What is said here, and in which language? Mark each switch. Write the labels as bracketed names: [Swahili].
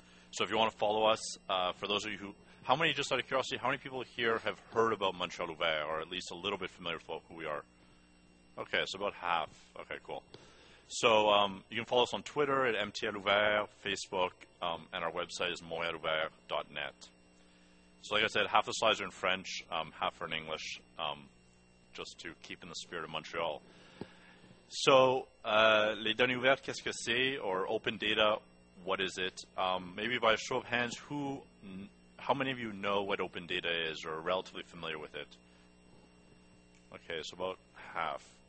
[English] So if you want to follow us, for those of you who, how many, just out of curiosity, how many people here have heard about Montreal Ouvert, or at least a little bit familiar with who we are? Okay, so about half. Okay, cool. So you can follow us on Twitter at MTL Ouvert, Facebook, and our website is montrealouvert.net. So like I said, half the slides are in French, half are in English, just to keep in the spirit of Montreal. [French] So les données ouvertes, qu'est-ce que c'est? [English] Or open data, what is it? Maybe by a show of hands, how many of you know what open data is or are relatively familiar with it? Okay, so about half.